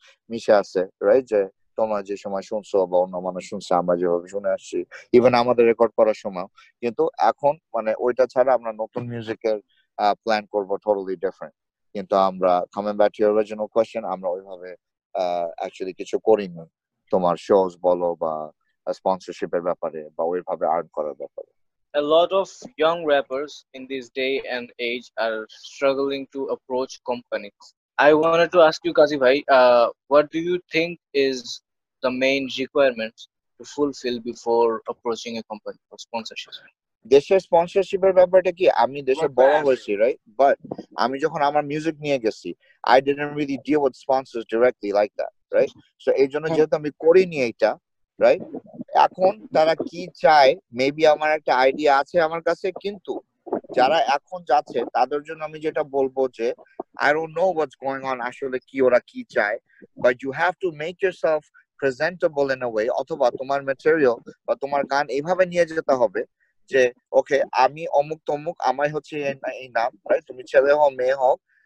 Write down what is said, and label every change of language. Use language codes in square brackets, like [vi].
[bn] মিশে আছে রাইট, যে তোমরা যে সময় শুনছো বা অন্য মানুষ শুনছে আমরা যেভাবে শুনে আসছি ইভেন আমাদের রেকর্ড করার সময়, কিন্তু এখন মানে ওইটা ছাড়া আমরা নতুন মিউজিকের প্ল্যান করবো টোটালি ডিফারেন্ট, কিন্তু আমরা [en] coming back to your original question, [bn] আমরা ওইভাবে অ্যাকচুয়ালি কিছু করিনি তোমার শোস বলো বা স্পন্সরশিপ এর ব্যাপারে বা ওইভাবে আর্ন করার ব্যাপারে। [en] A lot of young rappers in this day and age are struggling to approach companies. I wanted to ask you, Kazi bhai, what do you think is the main requirements to fulfill before approaching a company for sponsorship? [bn] দেশের sponsorship এর ব্যাপারটা কি, আমি দেশে বড় হয়েছি right, but আমি যখন আমার মিউজিক নিয়ে গেছি [en] I didn't really deal with sponsors directly like that [bn] right, so এই জন্য যেহেতু আমি করিনি এটা রাইট, এখন তারা কি চায় মেবি আমার একটা আইডিয়া আছে আমার কাছে, কিন্তু যারা এখন যাচ্ছে তাদের জন্য আমি যেটা বলবো যে [en] I don't know what's going on [bn] আসলে কি ওরা কি চায়, [en] but you have to make yourself presentable in a way, [bn] অথবা তোমার ম্যাটেরিয়াল বা তোমার গান এইভাবে নিয়ে যেতে হবে যে ওকে আমি অমুক তমুক আমায় হচ্ছে এই নাম রাইট, তুমি ছেলে হোক মেয়ে হোক